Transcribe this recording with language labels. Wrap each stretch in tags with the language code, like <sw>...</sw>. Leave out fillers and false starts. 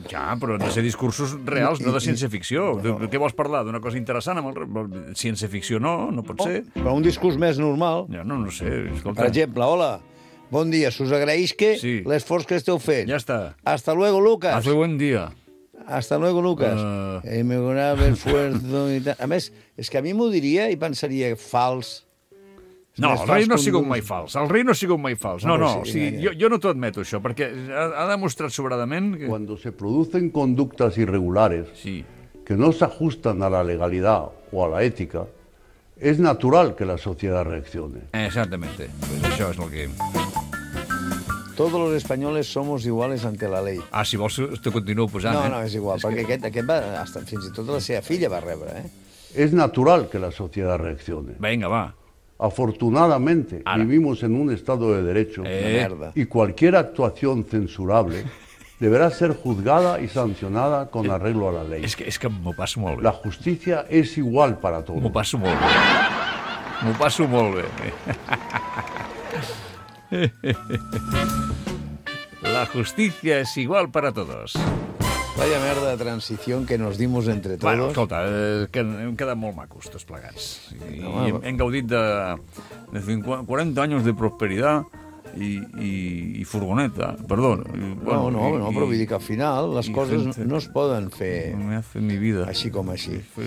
<ca>Ja, però han de ser discursos reals, no de ciència-ficció. Què vols parlar, d'una cosa interessant? Ciència-ficció no pot ser. Però un discurs més normal. Ja, no sé, escolta. Per exemple, hola, bon dia, s'us agraeix que l'esforç que esteu fent. Ja està.</ca> <es>Hasta luego, Lucas. Hace buen día. Hasta luego, Lucas. Me donava el fuerzo y tal.</es> <ca>A més, és que a mi m'ho diria i pensaria fals. No, el rei no ha sigut mai fals. El rei no ha sigut mai fals. No, jo no t'ho admeto, això, perquè ha demostrat sobradament... Que...</ca> <es>Cuando se producen conductas irregulares que no</es> <ca>s'ajusten</ca> <es>a la legalidad o a la ética, es natural que la sociedad reaccione. Exactamente. Pues</es> <ca>això és el que...</ca> <es>Todos los españoles somos iguales ante la ley.</es> <ca>Ah, si vols, te continuo posant. No, és igual, perquè aquest va... Fins i tot la seva filla va rebre,</ca> <es>Es natural que la sociedad reaccione.</es> <ca>Venga, va.</ca> <es>Afortunadamente, vivimos en un estado de derecho.</es> <ca>Merda.</ca> <es>Y cualquier actuación censurable deberá ser juzgada y sancionada con arreglo a la ley.</es> <ca>És que m'ho passo molt bé.</ca> <es>La justicia es igual para todos.</es> <ca>M'ho passo molt bé. M'ho passo molt bé.</ca> <es>La justicia es igual para todos. Vaya merda de transición que nos dimos entre todos.</es> <ca>Bueno, escolta, que hem quedat molt macos tots plegats. I hem gaudit de 50, 40 anys de prosperitat i furgoneta, perdó. Bueno, no, però vull dir que al final les coses no es poden fer... M'ha fet</ca> <es>mi vida.</es> <ca>Així com així.</ca>